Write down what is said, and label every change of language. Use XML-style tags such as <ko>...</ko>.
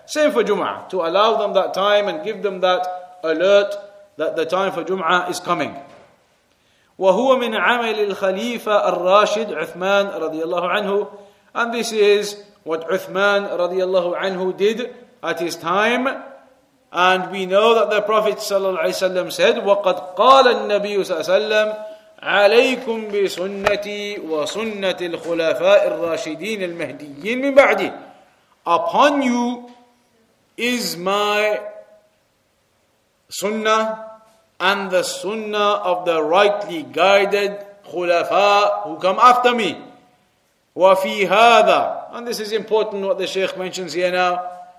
<en>Same for Jum'ah, to allow them that time and give them that alert that the time for Jum'ah is coming.</en> <ar>وَهُوَ مِنْ عَمَلِ الْخَلِيفَةِ الرَّاشِدِ عُثْمَانَ رَضِيَ اللَّهُ عَنْهُ.</ar> <en>And this is what Uthman رَضِيَ اللَّهُ عَنْهُ did at his time, And we know that the Prophet ﷺ said,</en> <ar>وَقَدْ قَالَ النَّبِيُّ صَلَّى اللَّهُ عَلَيْهِ وَسَلَّمَ عَلَيْكُمْ بِسُنَّتِي وَسُنَّةِ الْخُلَفَاءِ الرَّاشِدِينَ الْمَهْدِيِّينَ مِنْ بَعْدِي.</ar> <en>Upon you is my sunnah and the sunnah of the rightly guided khulafa who come after me.</en> <ar>وَفِي هَذَا.</ar> <en>And this is important what the Shaykh mentions here now.</en>